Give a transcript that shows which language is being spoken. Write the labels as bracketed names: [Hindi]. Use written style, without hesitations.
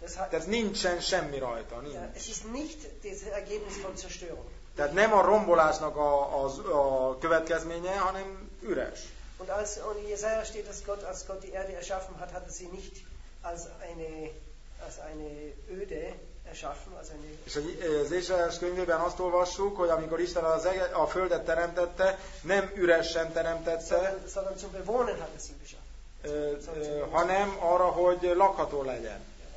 [Hungarian] Tehát nincsen semmi rajta, nincs. [German] Es ist nicht das Ergebnis von Zerstörung. [Hungarian] Tehát nem a rombolásnak a következménye, hanem üres. [German] Und als in Jesaja steht, als Gott die Erde erschaffen hat, hat er sie nicht als eine öde erschaffen, als eine. [Hungarian] És az Ézsaiás könyvében azt olvassuk, hogy amikor Isten a földet teremtette, nem üresen teremtette, [German] sondern zum Bewohnen hat er sie geschaffen. [Hungarian] Hanem arra, hogy lakható legyen.